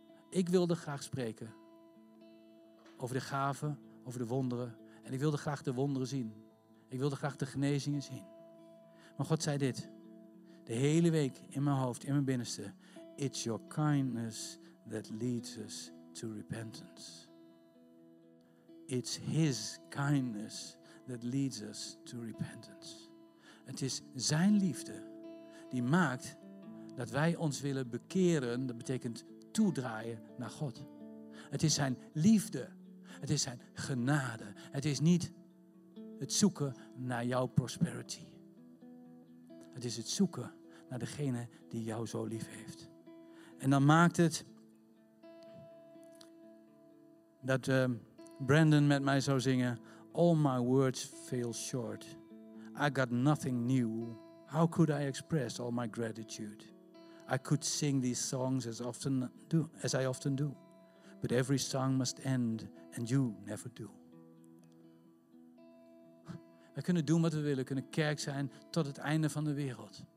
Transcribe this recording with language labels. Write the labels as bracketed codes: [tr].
[nl] Ik wilde graag spreken over de gaven, over de wonderen. En ik wilde graag de wonderen zien. Ik wilde graag de genezingen zien. Maar God zei dit, de hele week in mijn hoofd, in mijn binnenste. [en] It's your kindness that leads us to repentance. It's His kindness that leads us to repentance. [nl] Het is zijn liefde die maakt dat wij ons willen bekeren. Dat betekent toedraaien naar God. Het is zijn liefde. Het is zijn genade. Het is niet het zoeken naar jouw prosperity. Het is het zoeken naar degene die jou zo lief heeft. En dan maakt het dat Brandon met mij zou zingen, [en] all my words fail short. I got nothing new. How could I express all my gratitude? I could sing these songs as I often do. But every song must end and you never do. [nl] We kunnen doen wat we willen. We kunnen kerk zijn tot het einde van de wereld.